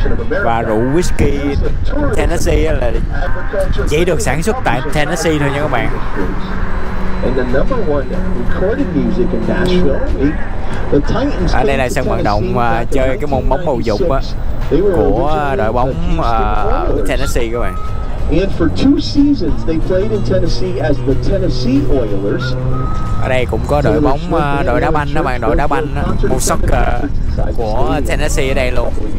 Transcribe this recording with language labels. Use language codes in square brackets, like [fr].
[vi] Và rượu whiskey Tennessee là chỉ được sản xuất tại Tennessee thôi nha các bạn. [en] And the number one recorded music in Nashville. [vi] Ở đây là sân vận động chơi cái môn bóng bầu dục của đội bóng Tennessee các bạn. [en] And for two seasons they played in Tennessee as the Tennessee Oilers. [vi] Ở đây cũng có đội bóng đội đá banh đó bạn, đội đá banh một soccer của Tennessee ở đây luôn.